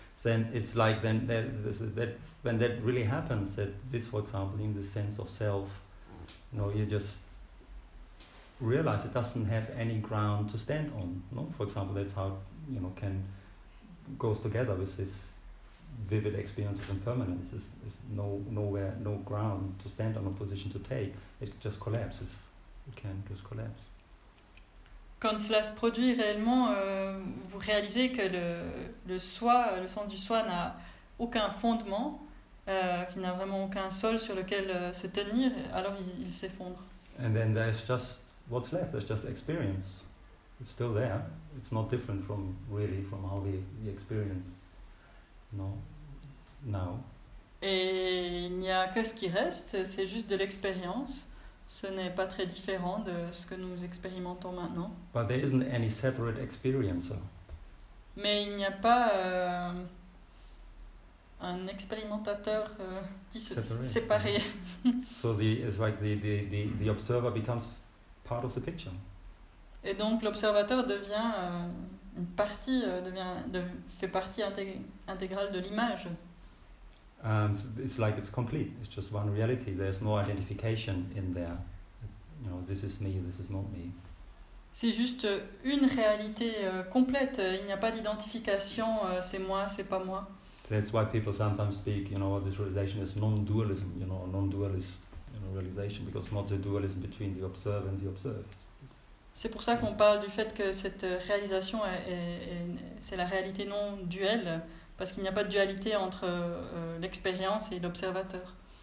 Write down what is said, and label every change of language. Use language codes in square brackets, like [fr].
[en] Then it's like then that's when that really happens, that this, for example, in the sense of self, you know, you just realize it doesn't have any ground to stand on. No, for example, that's how you know can goes together with this vivid experience of impermanence. There's nowhere, no ground to stand on, a position to take. It just collapses. It can just collapse. [fr] Quand cela se produit réellement, vous réalisez que le soi, le sens du soi n'a aucun fondement, qu'il n'a vraiment aucun sol sur lequel se tenir, alors il s'effondre. [en] And then there's just what's left, there's just experience. It's still there. It's not different from really from how we experience now. [fr] Et il n'y a que ce qui reste, c'est juste de l'expérience. Ce n'est pas très différent de ce que nous expérimentons maintenant. [en] But there isn't any separate experience. [fr] Mais il n'y a pas un expérimentateur séparé. [en] So the it's like the observer becomes part of the picture. [fr] Et donc l'observateur devient une partie devient de, fait partie intégrale de l'image. [en] It's like it's complete. It's just one reality. There's no identification in there. You know, this is me. This is not me. [fr] C'est juste une réalité complète. Il n'y a pas d'identification. C'est moi. C'est pas moi. [en] That's why people sometimes speak. You know, this realization is non-dualism. You know, non-dualist, you know, realization, because it's not the dualism between the observer and the observed. [fr] C'est pour ça qu'on parle du fait que cette réalisation est c'est la réalité non-duelle, parce qu'il n'y a pas de dualité entre l'expérience et l'observateur.